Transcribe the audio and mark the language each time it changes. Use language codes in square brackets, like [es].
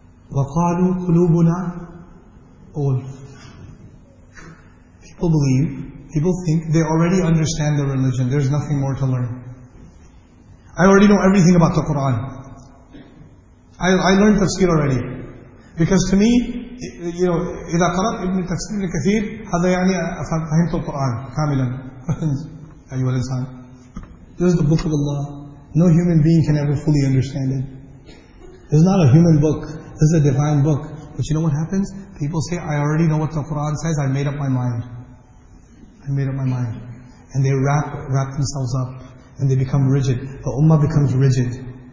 [ar] وَقَالُوا قُلُوبُنَا أُولَ. [en] People believe, people think they already understand the religion. There's nothing more to learn. I already know everything about the Quran. I learned tafsir already. Because to me, [ar] إذا قرأت ابن تفسير الكثير هذا يعني فهمت القرآن كاملا. أيها الإنسان, [en] this is the book of Allah. No human being can ever fully understand it. It's not a human book. This is a divine book. But you know what happens? People say, I already know what the Quran says. I made up my mind. I made up my mind. And they wrap themselves up. And they become rigid. The ummah becomes rigid.